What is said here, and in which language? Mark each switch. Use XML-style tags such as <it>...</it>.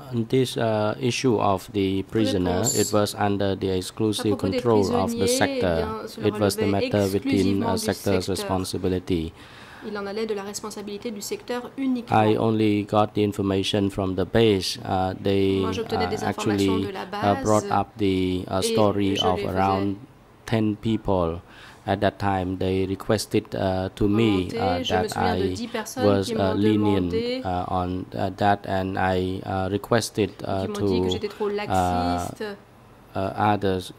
<en>This issue of the prisoner, it was under the exclusive control of the sector. It was the matter within a sector's responsibility.</en> <fr>Il en allait de la responsabilité du secteur uniquement.</fr> <en>I only got the information from the base. They actually brought up the story of around 10 people. At that time, they requested to me that I was lenient on that, and I requested to others.</en>